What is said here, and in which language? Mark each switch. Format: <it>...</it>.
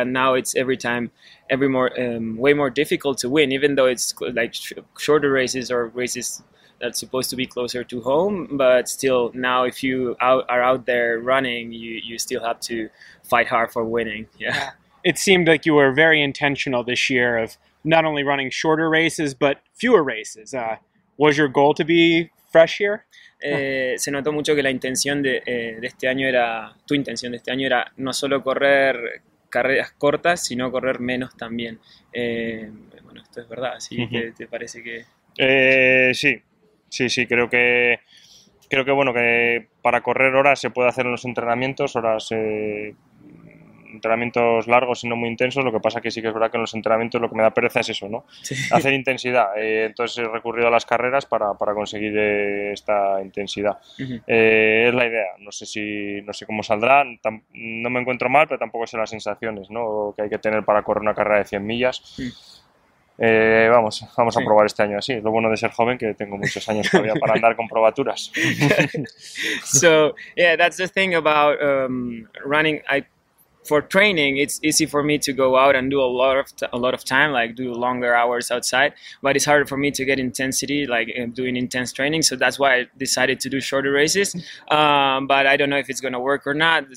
<en>And now it's way more difficult to win, even though it's like shorter races or races that's supposed to be closer to home. But still, now if you are out there running, you still have to fight hard for winning. Yeah. It seemed like you were very intentional this year of not only running shorter races, but fewer races. Was your goal to be fresh here?</en> <es>Se notó mucho que la intención de este año era, tu intención de este año era no solo correr carreras cortas, sino correr menos también. Bueno, esto es verdad, ¿sí? Uh-huh. ¿Te parece que...? Sí, creo que bueno, que para correr horas se puede hacer en los entrenamientos, entrenamientos largos y no muy intensos, lo que pasa que sí que es verdad que en los entrenamientos lo que me da pereza es eso, ¿no? Sí. Hacer intensidad, entonces he recurrido a las carreras para conseguir esta intensidad. Uh-huh. Es la idea, no sé cómo saldrá, no me encuentro mal, pero tampoco sé las sensaciones, ¿no?, que hay que tener para correr una carrera de 100 millas. Uh-huh. Vamos a probar este año así. Es lo bueno de ser joven que tengo muchos años todavía para andar con probaturas.</es> <en>So, yeah, that's the thing about running. For training, it's easy for me to go out and do a lot of time, like do longer hours outside, but it's harder for me to get intensity, like doing intense training. So that's why I decided to do shorter races. But I don't know if it's going to work or not.</en>